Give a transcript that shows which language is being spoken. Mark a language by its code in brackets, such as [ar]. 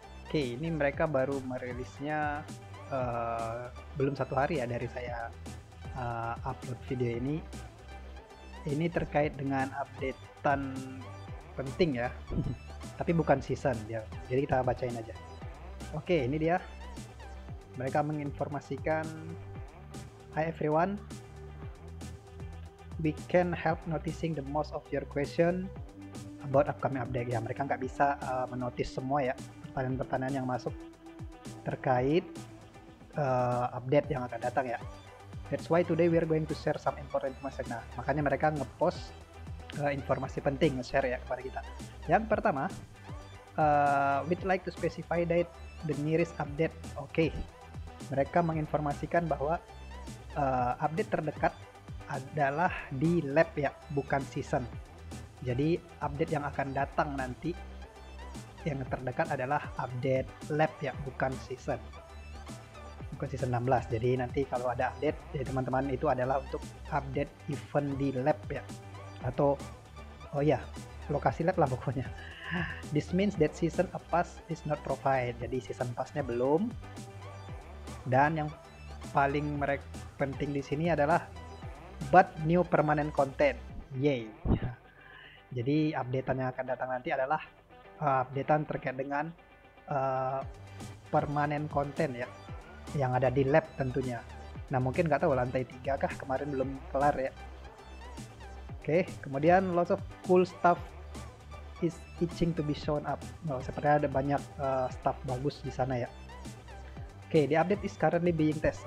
[id] Oke, ini mereka baru merilisnya belum satu hari ya dari saya upload video ini. Ini terkait dengan updatean penting ya. Tapi bukan season ya, jadi kita bacain aja. Oke, ini dia. Mereka menginformasikan, [en] "Hi everyone, we can help noticing the most of your question about upcoming update." [id] Ya, mereka nggak bisa menotis semua ya pertanyaan-pertanyaan yang masuk terkait update yang akan datang ya. [en] That's why today we are going to share some important message. [id] Nah, makanya mereka ngepost informasi penting, nge-share ya kepada kita. Yang pertama, [en] we'd like to specify date the nearest update. Okay. [id] Mereka menginformasikan bahwa update terdekat adalah di lab ya, bukan season. Jadi update yang akan datang nanti yang terdekat adalah update lab ya, bukan season. Bukan season 16. Jadi nanti kalau ada update, ya teman-teman, itu adalah untuk update event di lab ya. Atau lokasi lab lah pokoknya. [en] This means that season a pass is not provided. [id] Jadi season passnya belum. Dan yang paling penting di sini adalah [en] but new permanent content. [id] Yay. Jadi updatean yang akan datang nanti adalah updatean terkait dengan permanent content ya, yang ada di lab tentunya. Nah, mungkin nggak tahu lantai 3 kah, kemarin belum kelar ya. Oke, kemudian [en] lots of cool stuff is itching to be shown up. [id] Oh, sepertinya ada banyak stuff bagus di sana ya. Oke, [en] the update is currently being tested.